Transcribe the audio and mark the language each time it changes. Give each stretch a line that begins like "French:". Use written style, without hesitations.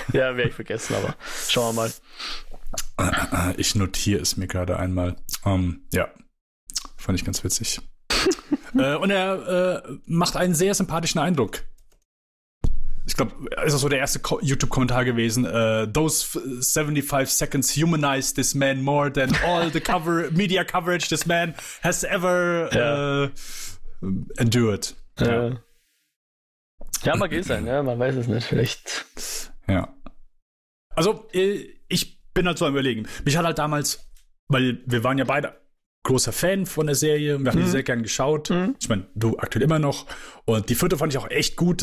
German: Ja, werde ich vergessen, aber schauen wir mal. Ich notiere es mir gerade einmal. Ja, fand ich ganz witzig. und er macht einen sehr sympathischen Eindruck. Ich glaube, ist das so der erste YouTube-Kommentar gewesen.
English: Those 75 seconds humanized this man more than all the media coverage this man has ever endured.
German: Ja. Ja, mag eh sein, ja, man weiß es nicht. Vielleicht. Ja. Also, ich bin halt so am Überlegen. Mich hat halt damals, weil wir waren ja beide großer Fan von der Serie. Wir haben die sehr gern geschaut. Mhm. Ich meine, du aktuell immer noch. Und die vierte fand ich auch echt gut.